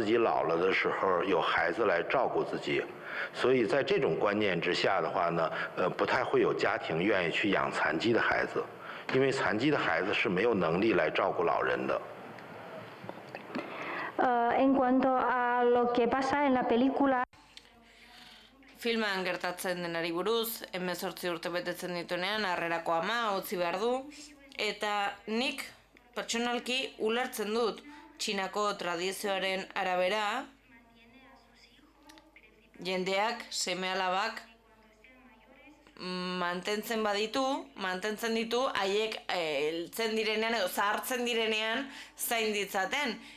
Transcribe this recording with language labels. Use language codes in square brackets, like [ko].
[zh] 那东西就是关于他18岁必须离开这个呢，我实际上是比较理解的，因为呢，就是中国的社会的传统呢，养孩子是养儿防老，其实当他们养一个孩子的时候呢，是希望呢，当自己老了的时候，有孩子来照顾自己。所以在这种观念之下的话呢，不太会有家庭愿意去养残疾的孩子，因为残疾的孩子是没有能力来照顾老人的。 [es] En cuanto a lo que pasa en la película, [eu] filman gertatzen denari buruz, 18 urte betetzen dituenean harrerako ama utzi behar du, eta nik pertsonalki ulertzen dut Txinako tradizioaren arabera jendeak, seme-alabak, mantentzen baditu, mantentzen ditu, haiek heltzen direnean edo zahartzen direnean zain ditzaten.